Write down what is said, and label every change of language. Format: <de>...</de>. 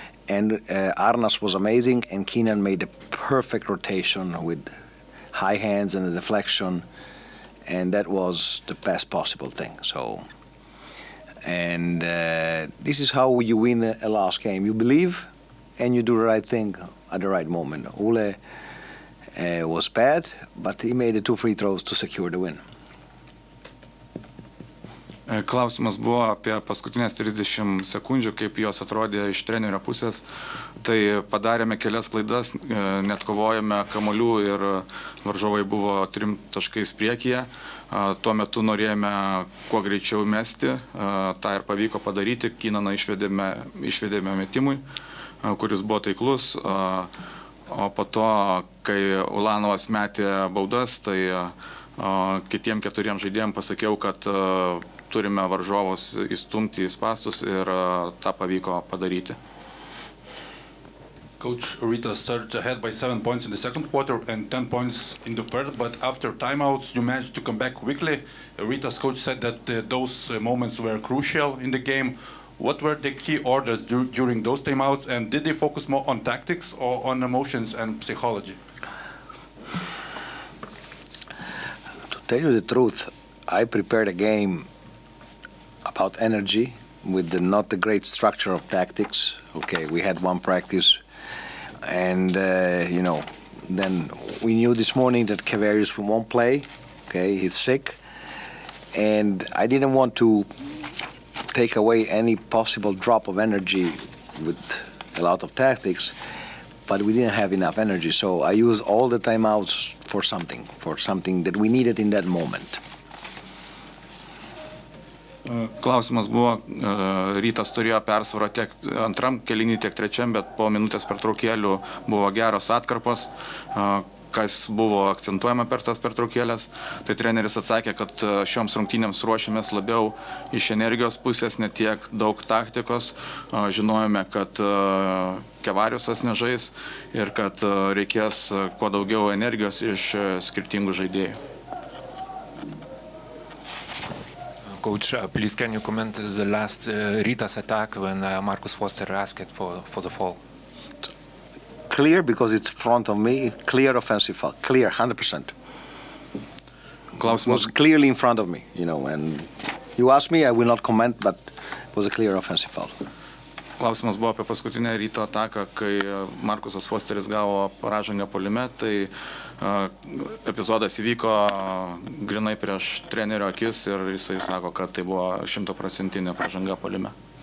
<en>And Arnas was amazing, and Keenan made a perfect rotation with high hands and a deflection, and that was the best possible thing. So, and this is how you win a last game. You believe, and you do the right thing at the right moment. Ule was bad, but he made the two free throws to secure the win.</en> <lt>Klausimas buvo apie paskutinės 30 sekundžių, kaip jos atrodė iš trenerio pusės. Tai padarėme kelias klaidas, net kovojame kamuolių ir varžovai buvo trim taškais priekyje. Tuo metu norėjome kuo greičiau mesti, tą ir pavyko padaryti. Kynaną išvedėme metimui, kuris buvo taiklus. O po to, kai Ulanovas metė baudas, tai kitiem keturiem žaidėjom pasakiau, kad turime varžovus įstumti į spastus ir tą pavyko padaryti.</lt> <en>Coach Rita surged ahead by 7 points in the second quarter and 10 points in the third, but after timeouts you managed to come back quickly. Rita's coach said that those moments were crucial in the game. What were the key orders during those timeouts, and did they focus more on tactics or on emotions and psychology? To tell you the truth, I prepared a game about energy with the not the great structure of tactics. Okay, we had one practice, and you know, then we knew this morning that Kavarius won't play. Okay, he's sick, and I didn't want to take away any possible drop of energy with a lot of tactics, but we didn't have enough energy, so I used all the timeouts for something that we needed in that moment.</en> <lt>Klausimas buvo, Rytas turėjo persvarą tiek antram kelinį, tiek trečiam, bet po minutės pertraukėlių buvo geros atkarpos. Kas buvo akcentuojama per tas pertraukėlės, tai treneris atsakė, kad šioms rungtynėms ruošėmės labiau iš energijos pusės, ne tiek daug taktikos. Žinojome, kad Kevariusas nežais ir kad reikės kuo daugiau energijos iš skirtingų žaidėjų.</lt> <en>Coach, please, can you comment on the last Rita's attack when Marcus Foster asked for the foul? Clear, because it's front of me. Clear offensive foul. Clear, 100%.</en> <lt>Klausimas</lt> <en>was clearly in front of me, you know. And you ask me, I will not comment, but it was a clear offensive foul.</en> <lt>Klausimas buvo apie paskutinę ryto ataką, kai Markusas Fosteris gavo pražangą polime, tai epizodas įvyko grinai prieš trenerio akis ir jisai sako, kad tai buvo 100% pražanga polime.</lt>